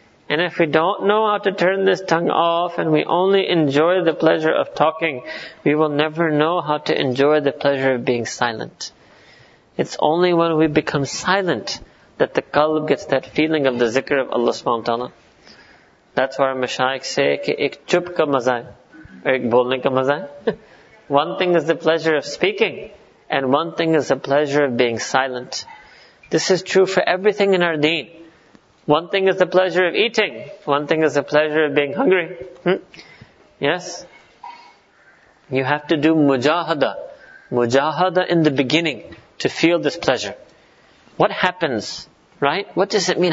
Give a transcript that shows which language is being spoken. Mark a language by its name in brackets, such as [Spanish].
[English] And if we don't know how to turn this tongue off and we only enjoy the pleasure of talking, we will never know how to enjoy the pleasure of being silent. It's only when we become silent that the qalb gets that feeling of the zikr of Allah subhanahu wa ta'ala. That's why our mashayikh say, [Urdu] کہ ایک چپ کا مزہ ہے، or ایک بولنے کا مزہ ہے۔ [English] One thing is the pleasure of speaking, and one thing is the pleasure of being silent. This is true for everything in our deen. One thing is the pleasure of eating. One thing is the pleasure of being hungry. Yes? You have to do mujahada. Mujahada in the beginning to feel this pleasure. What happens? Right? What does it mean?